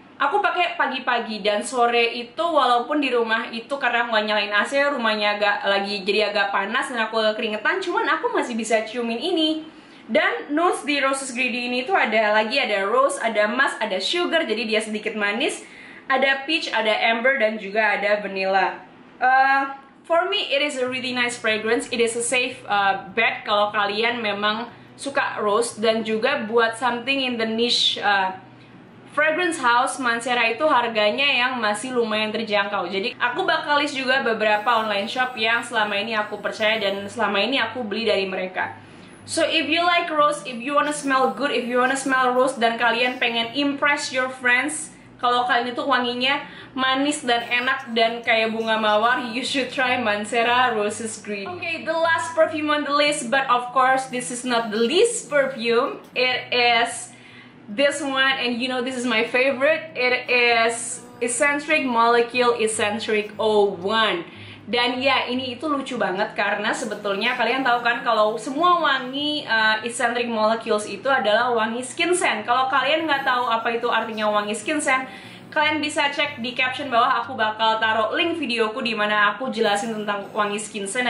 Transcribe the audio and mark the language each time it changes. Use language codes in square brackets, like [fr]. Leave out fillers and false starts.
[id] Aku pakai pagi-pagi dan sore itu walaupun di rumah itu karena aku gak nyalain AC, rumahnya agak lagi jadi agak panas dan aku keringetan, cuman aku masih bisa ciumin ini. Dan nose di Roses Greedy ini tuh ada lagi, ada rose, ada musk, ada sugar, jadi dia sedikit manis. Ada peach, ada amber, dan juga ada vanilla. [en] For me, it is a really nice fragrance. It is a safe bet [id] kalau kalian memang suka rose. Dan juga buat [en] something in the niche fragrance house, [id] Mansera itu harganya yang masih lumayan terjangkau. Jadi aku bakal list juga beberapa online shop yang selama ini aku percaya dan selama ini aku beli dari mereka. [en] So if you like rose, if you wanna smell good, if you wanna smell rose, [id] dan kalian pengen [en] impress your friends, [id] kalau kalian itu wanginya manis dan enak dan kayak bunga mawar, [en] you should try Mansera Roses Green. Okay, the last perfume on the list, but of course this is not the least perfume. It is this one, and you know this is my favorite. It is Eccentric Molecule Eccentric 01. [id] Dan ya, ini itu lucu banget karena sebetulnya kalian tahu kan kalau semua wangi eccentric molecules itu adalah wangi skin scent. Kalau kalian nggak tahu apa itu artinya wangi skin scent, kalian bisa cek di caption bawah, aku bakal taruh link videoku di mana aku jelasin tentang wangi skin scent.